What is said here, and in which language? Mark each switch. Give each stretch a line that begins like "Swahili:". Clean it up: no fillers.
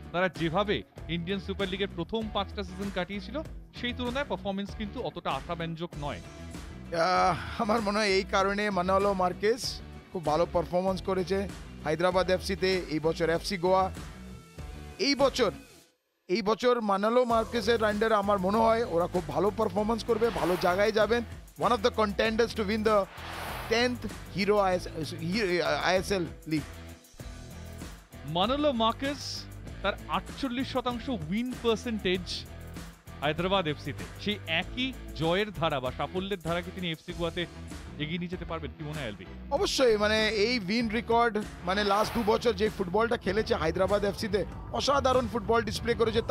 Bangla: তারা যেভাবে Indian super লিগের প্রথম পাঁচটা সিজন কাটিয়েছিল সেই তুলনায় পারফরমেন্স কিন্তু অতটা আশাব্যঞ্জক নয়। আমার মনে হয় এই কারণে মানুলো মার্কেজ খুব ভালো পারফরমেন্স করেছে হায়দ্রাবাদ এফসিতে, এই বছর এফসি গোয়া। এই বছর মানুলো মার্কেজের রাইন্ডারে আমার মনে হয় ওরা খুব ভালো পারফরমেন্স করবে, ভালো জায়গায় যাবেন।
English: One of the contenders to win the 10th Hero ISL League.
Bangla: Manolo Marquez, তার 48% win percentage হায়দ্রাবাদ এফসিতে, সেই একই জয়ের ধারা বা সাফল্যের ধারাকে তিনি এফসি গোয়াতে এগিয়ে নিয়ে যেতে পারবেন কি মনে হয় এলবি? অবশ্যই, মানে এই উইন রেকর্ড, মানে লাস্ট দু বছর যে ফুটবলটা খেলেছে হায়দ্রাবাদ এফসিতে, অসাধারণ ফুটবল ডিসপ্লে করেছে।